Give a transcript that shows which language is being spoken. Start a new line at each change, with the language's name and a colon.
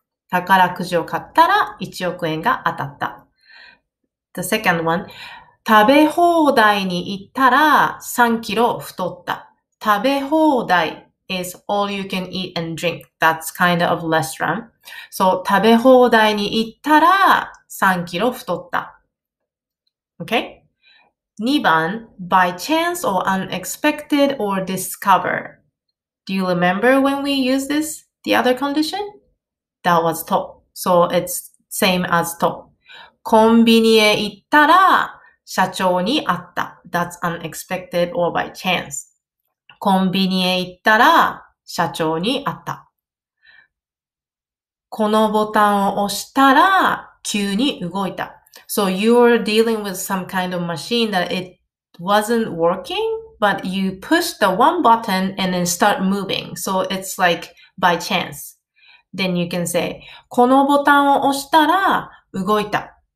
Japanese: 宝くじを買ったら1億円が当たった。
English: The second one.
Japanese: 食べ放題に行ったら3キロ太った。
English: 食べ放題 is all you can eat and drink. That's kind of restaurant.
Japanese: So, 食べ放題に行ったら3キロ太った。
English: Okay? 2番、by chance or unexpected or discover. Do you remember when we used this, the other condition? That was to. So, it's same as to.
Japanese: コンビニへ行ったら社長に会った。
English: That's unexpected or by chance.
Japanese: コンビニへ行ったら社長に会った。このボタンを押したら急に動いた。
English: So you were dealing with some kind of machine that it wasn't working, but you pushed the one button and then start moving. So it's like by chance. Then you can say,
Japanese: このボタンを押したら動いた。